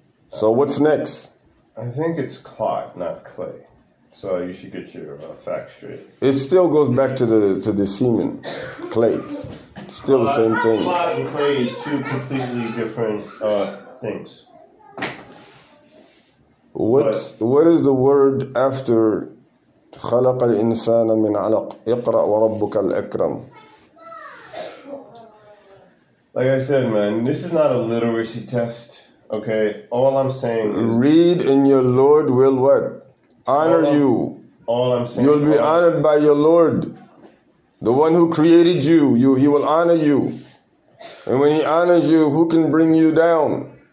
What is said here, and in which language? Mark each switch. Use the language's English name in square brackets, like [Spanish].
[English] So what's next? I think it's clot, not clay. So you should get your facts straight. It still goes back to the semen, clay. Still clot, the same thing. Clot and clay is two completely different things. What is the word after [Arabic] خلق الإنسان من علق اقرأ وربك الأكرم. [English] Like I said, man, this is not a literacy test. Okay, all I'm saying is read, and your Lord will what? Honor you. All I'm saying, you'll be honored by your Lord, the one who created you. He will honor you, and when he honors you, who can bring you down?